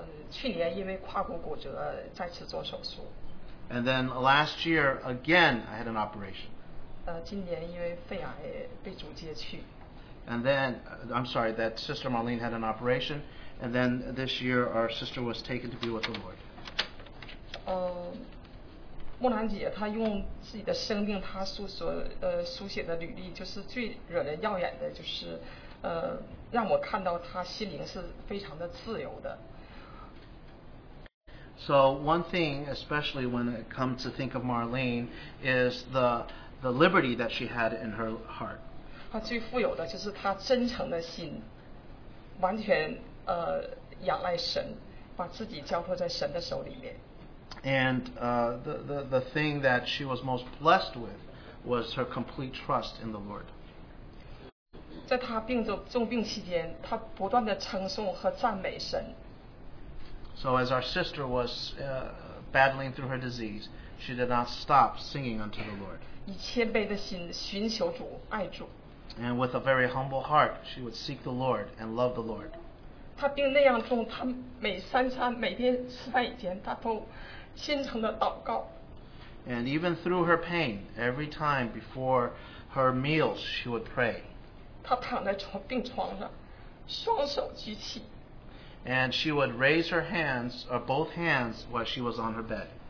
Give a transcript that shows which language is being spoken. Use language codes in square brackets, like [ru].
[zh] 去年因为胯骨骨折再次做手术。 [en] And then last year again I had an operation. [zh] 今年因为肺癌被阻截去。 [en] And then I'm sorry that Sister Marlene had an operation, and then this year our sister was taken to be with the Lord. [zh] 木兰姐她用自己的生命她书写的履历，就是最惹人耀眼的，就是让我看到她心灵是非常的自由的。 [en] So one thing especially when it comes to think of Marlene is the liberty that she had in her heart. [zh] 她最富有的就是她真诚的心，完全仰赖神，把自己交托在神的手里面。 [en] And the thing that she was most blessed with was her complete trust in the Lord. [zh] 在她重病期间，她不断的称颂和赞美神。 [en] So as our sister was battling through her disease, she did not stop singing unto the Lord. [zh] 以谦卑的心寻求主，爱主。 [en] And with a very humble heart, she would seek the Lord and love the Lord. [zh] 她病那样重，她每三餐每天吃饭以前，她都虔诚的祷告。 [en] And even through her pain, every time before her meals, she would pray. [zh] 她躺在病床上，双手举起。 [en] And she would raise her hands, or both hands, while she was on her bed.